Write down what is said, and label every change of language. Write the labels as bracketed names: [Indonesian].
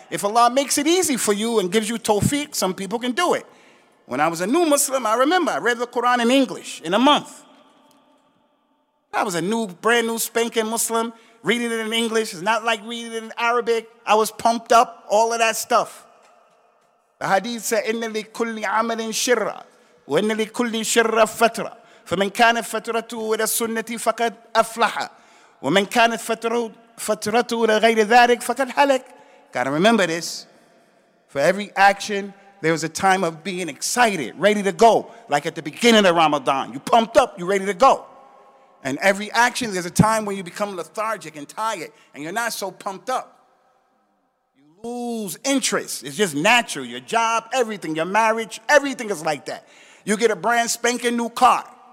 [English] If Allah makes it easy for you and gives you tawfiq, some people can do it. When I was a new Muslim, I remember I read the Quran in English in a month. I was a new, brand new spanking Muslim. Reading it in English is not like reading it in Arabic. I was pumped up, all of that stuff. The hadith said, [Arabic] إِنَّ لِكُلِّ عَمَلٍ شِرَّةٍ وَإِنَّ لِكُلِّ شِرَّةٍ فَتْرَةٍ فَمَنْ كَانَتْ فَتْرَتُهُ إِلَى السُنَّةِ فَقَدْ أَفْلَحَ وَمَنْ كَانَتْ فَتْرَتُهُ إِلَى غَيْرِ ذَلِكَ فَقَدْ هَلَكَ. [English] Gotta remember this. For every action, there was a time of being excited, ready to go. Like at the beginning of Ramadan, you pumped up, you're ready to go. And every action, there's a time when you become lethargic and tired, and you're not so pumped up. Lose interest. It's just natural. Your job, everything, your marriage, everything is like that. You get a brand spanking new car.